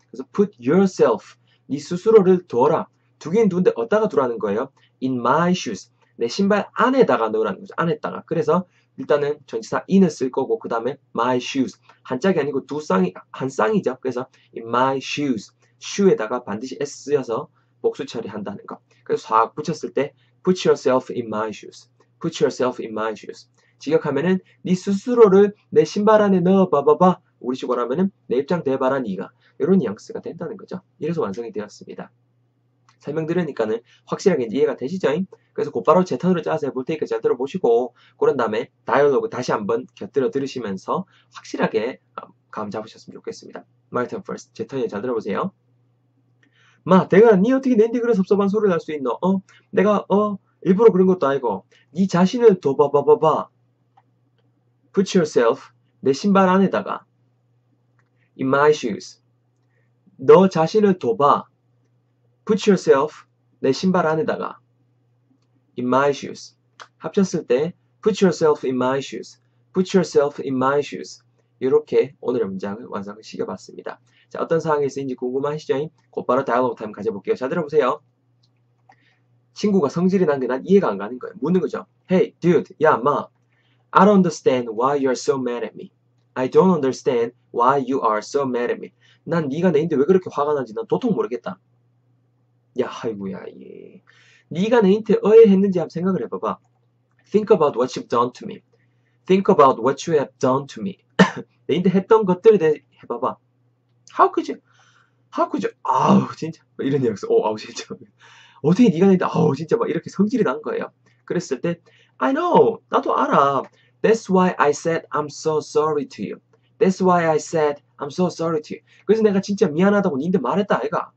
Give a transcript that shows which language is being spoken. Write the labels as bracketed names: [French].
[Korean] 그래서 [English] put yourself, [Korean] 네 스스로를 둬라. 두긴 두는데 어디다가 두라는 거예요? [English] In my shoes, [Korean] 내 신발 안에다가 넣으라는 거죠. 안에다가. 그래서 일단은 전치사 in을 쓸 거고 그 다음에 my shoes, 한짝이 아니고 두 쌍이, 한 쌍이죠. 그래서 [English] in my shoes, [Korean] shoe에다가 반드시 S 쓰여서 복수 처리한다는 거. 그래서 확 붙였을 때 [English] put yourself in my shoes, put yourself in my shoes. [Korean] 직역하면은 네 스스로를 내 신발 안에 넣어 봐봐봐. 우리 식으로 하면은 내 입장 대바라 니가 이런 뉘앙스가 된다는 거죠. 이래서 완성이 되었습니다. 설명 들으니까는 확실하게 이해가 되시죠? 그래서 곧바로 제 턴으로 짜서 해볼 테니까 잘 들어보시고 그런 다음에 다이얼로그 다시 한번 곁들여 들으시면서 확실하게 감 잡으셨으면 좋겠습니다. [English] My turn first. [Korean] 제 턴에 잘 들어보세요. 마, 내가 니 어떻게 낸디 그런 섭섭한 소리를 할수 있노? 어? 내가, 일부러 그런 것도 아니고, 니 자신을 둬봐봐봐봐. [English] Put yourself [Korean] 내 신발 안에다가. [English] In my shoes. [Korean] 너 자신을 둬봐. [English] Put yourself [Korean] 내 신발 안에다가. [English] In my shoes. [Korean] 합쳤을 때, [English] Put yourself in my shoes. Put yourself in my shoes. [Korean] 이렇게 오늘의 문장을 완성시켜봤습니다. 자, 어떤 상황에서인지 궁금하시죠? 곧바로 다이얼로그 타임 가져볼게요. 자, 들어보세요. 친구가 성질이 난게난 이해가 안 가는 거예요. 묻는 거죠. [English] Hey, dude, [Korean] 야, 마. [English] I don't understand why you're so mad at me. I don't understand why you are so mad at me. [Korean] 난 네가 내인데 왜 그렇게 화가 나지? 난 도통 모르겠다. 야, 아이고야, 예. 네가 내인테 어해했는지 한번 생각을 해봐봐. [English] Think about what you've done to me. Think about what you have done to me. [Korean] 내인데 했던 것들에 대해 해봐봐. [English] How could you? How could you? [Korean] 아우, 진짜. 이런 이야기 했어. 아우, 진짜. 어떻게 네가 내인데, 아우, 진짜. 막 이렇게 성질이 난 거예요. 그랬을 때, [English] I know. [Korean] 나도 알아. [English] That's why I said I'm so sorry to you. That's why I said I'm so sorry to you. [Korean] 그래서 내가 진짜 미안하다고 니한테 말했다, 아이가.